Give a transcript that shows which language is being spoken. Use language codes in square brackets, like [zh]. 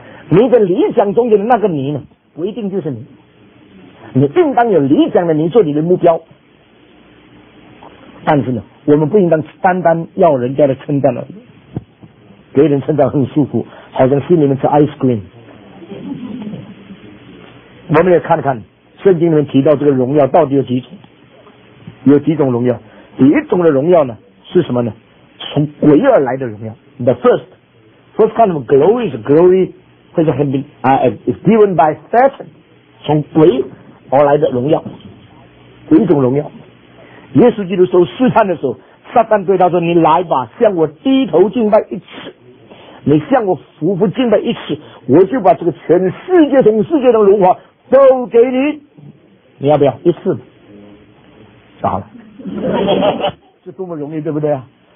[zh] 你的理想中间的那个你呢，不一定就是你。你应当有理想的你做你的目标，但是呢，我们不应当单单要人家的称赞了，别人称赞很舒服，好像心里面吃 ice cream。我们也看看圣经里面提到这个荣耀到底有几种，有几种荣耀。第一种的荣耀呢是什么呢？从鬼而来的荣耀。 [en] The first kind of glory is glory which has been, is given by Satan, [zh] 从鬼而来的荣耀。第一种荣耀，耶稣基督受试探的时候，撒旦对他说，你来吧，向我低头敬拜一次，你向我俯伏敬拜一次，我就把这个全世界从世界的荣华都给你，你要不要一次？傻了，这多么容易，对不对啊？